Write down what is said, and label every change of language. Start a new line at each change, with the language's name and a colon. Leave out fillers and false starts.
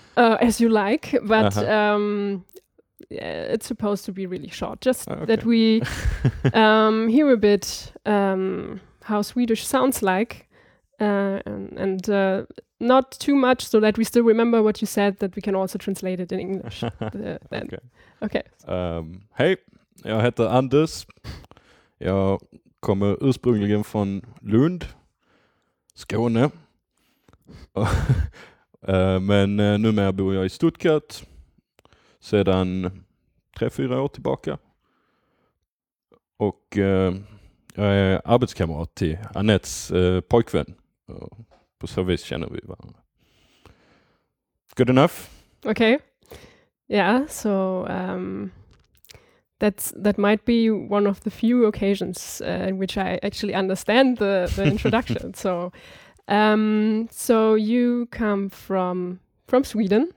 English: As you like, but it's supposed to be really short. Just that we hear a bit how Swedish sounds like, and not too much, so that we still remember what you said, that we can also translate it in English.
Swedish: Okay. Hey. Jag heter Anders. Jag kommer ursprungligen från Lund, Skåne. Men numera bor jag i Stuttgart sedan 3-4 år tillbaka. Och jag är arbetskamrat till Annettes pojkvän. På så vis känner vi varandra.
English: Good enough? Okay. Yeah, so That might be one of the few occasions in which I actually understand the introduction. So you come from Sweden.